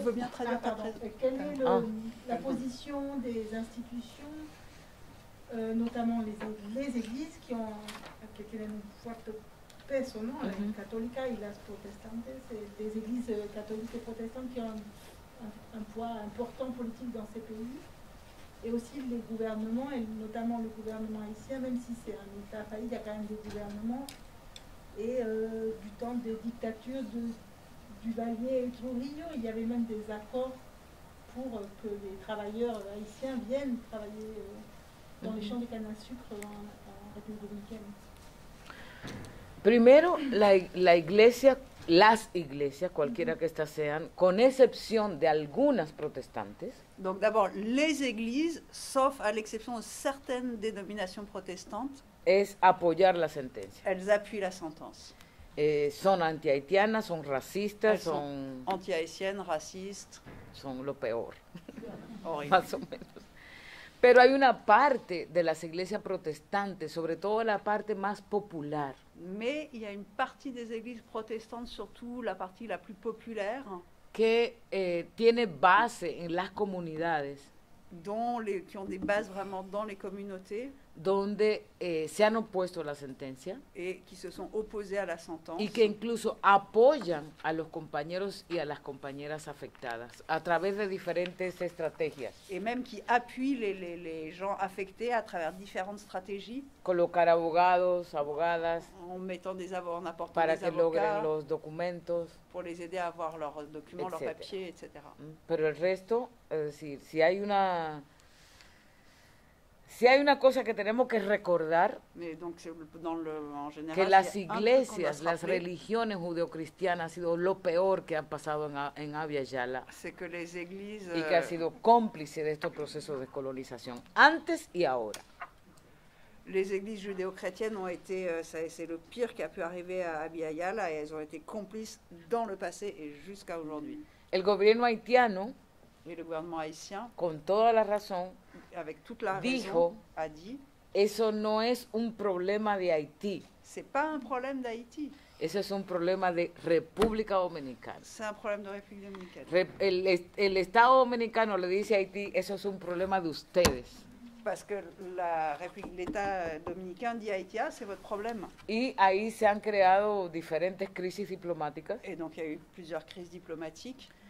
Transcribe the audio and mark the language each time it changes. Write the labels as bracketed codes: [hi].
[es] ¿cuál es la posición de las instituciones, [fr] notamment les églises [es] que tienen un fuerte peso, ¿no? Uh-huh. La católica y las protestantes, [fr] des églises catholiques et protestantes qui ont un poids important politique dans ces pays, et aussi les gouvernements, et notamment le gouvernement haïtien, même si c'est un État failli, il y a quand même des gouvernements, et du temps des dictatures de Duvalier et Trujillo, il y avait même des accords pour que les travailleurs haïtiens viennent travailler dans les champs de canne à sucre en République dominicaine. [es] Primero, la iglesia, las iglesias, cualquiera que estas sean, con excepción de algunas protestantes. [fr] Donc d'abord, les églises, sauf à l'exception de certaines dénominations protestantes, [es] es apoyar la sentencia. [fr] Elles appuient la sentence. [es] Son anti-haïtianas, son racistas, [fr] elles sont anti-haïtiennes, racistes. [es] Son lo peor. Horrible. Más o menos. Pero hay una parte de las iglesias protestantes, sobre todo la parte más popular. [fr] Mais il y a une partie des églises protestantes, surtout la partie la plus populaire, [es] que tiene base en las comunidades, [fr] qui ont des bases vraiment dans les communautés, [es] donde se han opuesto a la sentencia, [fr] et qui se sont opposés à la sentence, [es] y que incluso apoyan a los compañeros y a las compañeras afectadas a través de diferentes estrategias, [fr] et même qui appuient les gens affectés à travers différentes stratégies, [es] colocar abogados, abogadas, [fr] en mettant des avocats, en apportant [es] para [fr] des [es] que logren los documentos, [fr] pour les aider à avoir leurs documents, etc. Leurs papiers, etc. [es] Pero el resto, es decir, si hay una cosa que tenemos que recordar, [fr] donc, en general, [es] que las iglesias, las religiones judeocristianas han sido lo peor que han pasado en Abya Yala, [fr] que les églises, [es] y que ha sido cómplice de estos procesos de colonización, antes y ahora. [fr] Les églises judéo-chrétiennes ont été, c'est le pire qui a pu arriver à Abya Yala, et elles ont été complices dans le passé et jusqu'à aujourd'hui. [es] El gobierno haitiano, [fr] et le gouvernement haïtien, [es] con toda la razón, [fr] avec toute la [es] dijo, [fr] raison, a dit, [es] eso no es un problema de Haití. [fr] C'est pas un problème d'Haïti. [es] Ese es un problema de República Dominicana. [fr] C'est un problème de République Dominicaine. [es] El Estado Dominicano le dice a Haití, eso es un problema de ustedes. [fr] Parce que l'État dominicain dit à Haïti, ah, c'est votre problème. [es] Y ahí se han creado diferentes crisis diplomáticas. [fr] Et donc il y a eu plusieurs crises diplomatiques.